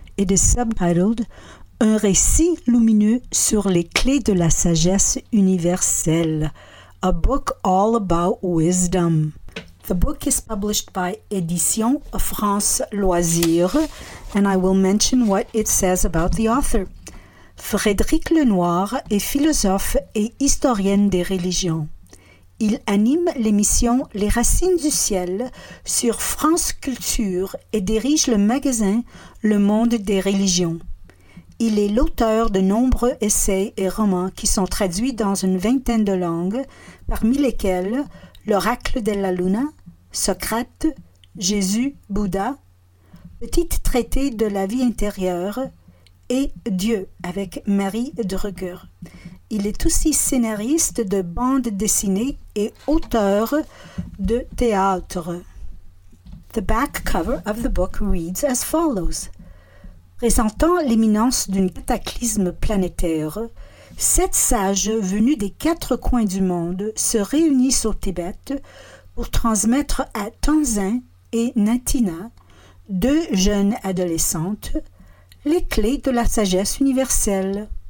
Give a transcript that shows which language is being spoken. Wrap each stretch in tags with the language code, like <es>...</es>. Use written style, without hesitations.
<en>It is subtitled Un récit lumineux sur les clés de la sagesse universelle. A book all about wisdom. The book is published by Éditions France Loisirs, and I will mention what it says about the author.</en> <fr>Frédéric Lenoir est philosophe et historienne des religions. Il anime l'émission Les Racines du Ciel sur France Culture et dirige le magazine Le Monde des Religions. Il est l'auteur de nombreux essais et romans qui sont traduits dans une vingtaine de langues, parmi lesquels L'Oracle de la Luna, Socrate, Jésus, Bouddha, Petit traité de la vie intérieure et Dieu avec Marie Drucker. Il est aussi scénariste de bandes dessinées et auteur de théâtre.</fr> <en>The back cover of the book reads as follows.</en> <fr>Présentant l'imminence d'un cataclysme planétaire, sept sages venus des quatre coins du monde se réunissent au Tibet pour transmettre à Tenzin et Natina, deux jeunes adolescentes, les clés de la sagesse universelle.</fr>